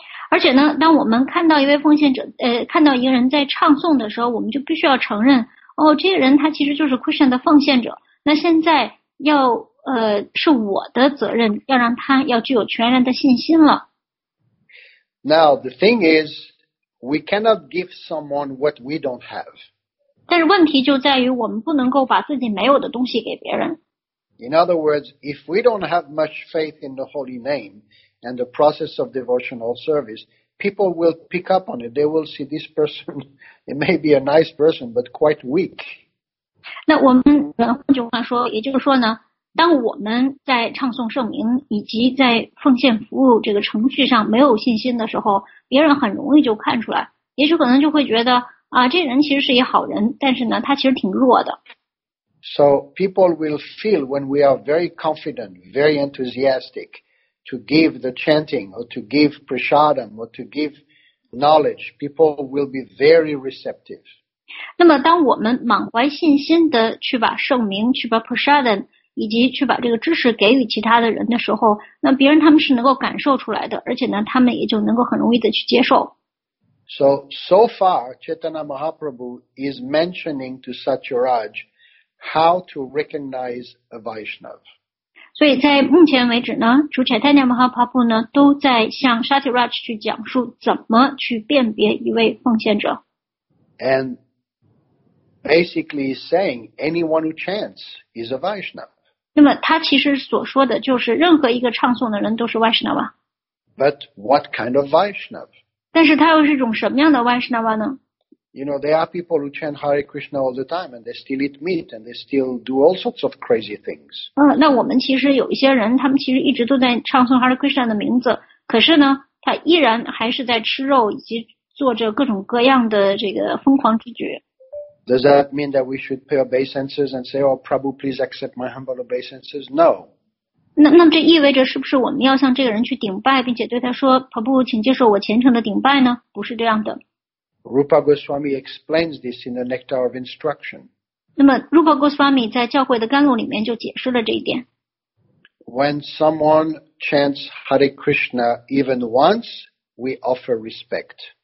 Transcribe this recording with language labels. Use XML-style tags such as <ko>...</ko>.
<zh>而且呢，当我们看到一位奉献者，看到一个人在唱诵的时候，我们就必须要承认，哦，这个人他其实就是 Krishna 的奉献者。那现在要，是我的责任，要让他要具有全然的信心了。</zh> <en>Now, the thing is, we cannot give someone what we don't have.</en> <zh>但是问题就在于我们不能够把自己没有的东西给别人。</zh> <en>In other words, if we don't have much faith in the holy name and the process of devotional service, people will pick up on it. They will see this person, it may be a nice person, but quite weak.</en> <zh>那我们换句话说，也就是说呢，当我们在唱诵圣名以及在奉献服务这个程序上没有信心的时候，别人很容易就看出来，也许可能就会觉得啊，这人其实是一好人，但是呢，他其实挺弱的。</zh> <en>So people will feel when we are very confident, very enthusiastic to give the chanting or to give prasadam or to give knowledge, people will be very receptive.</en> <zh>那么当我们满怀信心的去把圣名、去把 prasadam 以及去把这个知识给予其他的人的时候，那别人他们是能够感受出来的，而且呢，他们也就能够很容易的去接受。</zh> <en>So far, Chaitanya Mahaprabhu is mentioning to Satyaraj how to recognize a Vaishnava.</en> <zh>所以在目前为止呢，主 Chaitanya Mahaprabhu 呢都在向 Satyaraj 去讲述怎么去辨别一位奉献者。</zh> <en>And basically saying anyone who chants is a Vaishnava.</en> <zh>那么他其实所说的就是任何一个唱诵的人都是 Vaishnava。</zh> <en>But what kind of Vaishnava?</en> <zh>但是他又是一种什么样的 Vaishnava 呢？</zh> <en>You know, there are people who chant Hare Krishna all the time and they still eat meat and they still do all sorts of crazy things.</en> <zh>那我们其实有一些人，他们其实一直都在唱诵 Hare Krishna 的名字，可是呢，他依然还是在吃肉以及做着各种各样的这个疯狂之举。</zh> <en>Does that mean that we should pay obeisances and say, oh, Prabhu, please accept my humble obeisances? No.</en> <zh>那这意味着是不是我们要向这个人去顶拜，并且对他说，Prabhu, 请接受我虔诚的顶拜呢？不是这样的。</zh> <en>Rupa Goswami explains this in the Nectar of Instruction.</en> <zh>那么 Rupa Goswami 在教会的甘露里面就解释了这一点。</zh> <en>When someone chants Hare Krishna even once, we offer respect.</en>